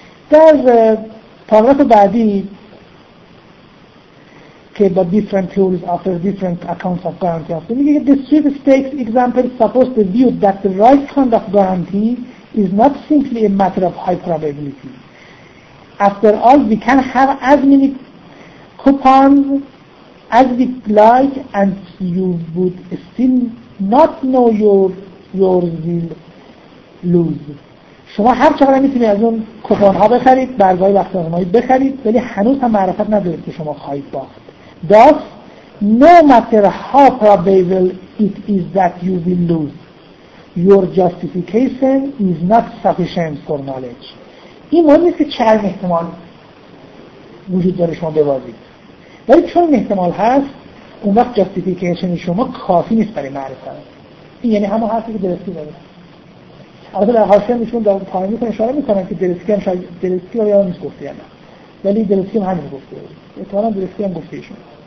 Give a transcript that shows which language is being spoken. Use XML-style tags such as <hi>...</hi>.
<fa>در پاراگراف بعدی که با</fa> <en>different theories offer different accounts of guarantee offer</en> <fa>میگه که</fa> <en>the chief stakes example supports the view that the right kind of guarantee is not simply a matter of high probability. After all, we can have as many coupons as we like and you would still not know your will lose.</en> <fa>شما هر چقدر میتونید از اون کوپن ها بخرید، برگاه وقت آزمایی بخرید، ولی هنوز هم معرفت ندارید که شما خواهید باخت.</fa> <en>Thus, no matter how probable it is that you will lose, your justification is not sufficient for knowledge.</en> <fa>این مهم نیست که چند احتمال وجود داره شما ببازید. ولی چون این احتمال هست، اون وقت justification شما کافی نیست برای معرفت. این یعنی همه حرفی که درستی داره. البته در حاشیه میشون در پایین میکنه اشاره میکنن که دلسکی هم شاید دلسکی رو یادم نیست گفته یا نه، ولی دلسکی هم همین گفته بود، اعتمالا دلسکی هم گفته ایشون.</fa>